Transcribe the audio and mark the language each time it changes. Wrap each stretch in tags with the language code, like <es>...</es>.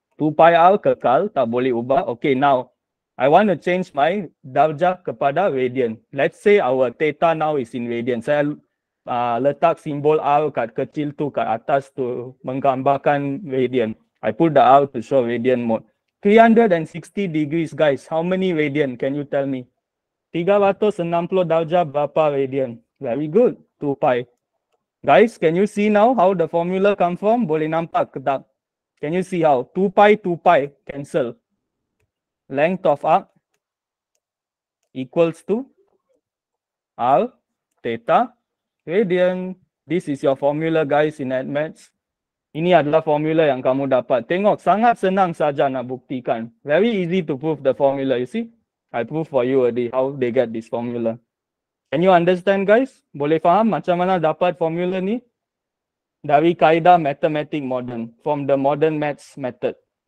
<ms>2 pi r kekal, tak boleh ubah.</ms> <en>Okay, now, I want to change my</en> <ms>darjah kepada radian.</ms> <en>Let's say our theta now is in radian.</en> <ms>Saya letak simbol r kat kecil tu kat atas tu menggambarkan radian.</ms> <en>I put the r to show radian mode. 360 degrees, guys. How many radian? Can you tell me?</en> <ms>360 darjah berapa radian?</ms> <en>Very good.</en> <ms>2 pi.</ms> <en>Guys, can you see now how the formula come from?</en> <ms>Boleh nampak ke tak?</ms> <en>Can you see how? 2 pi, 2 pi. Cancel. Length of arc equals to r theta radian. This is your formula, guys, in AdMaths.</en> <ms>Ini adalah formula yang kamu dapat. Tengok, sangat senang saja nak buktikan.</ms> <en>Very easy to prove the formula, you see? I prove for you already how they get this formula. Can you understand, guys?</en> <ms>Boleh faham macam mana dapat formula ni? Dari kaedah matematik modern.</ms> <en>From the modern maths method.</en>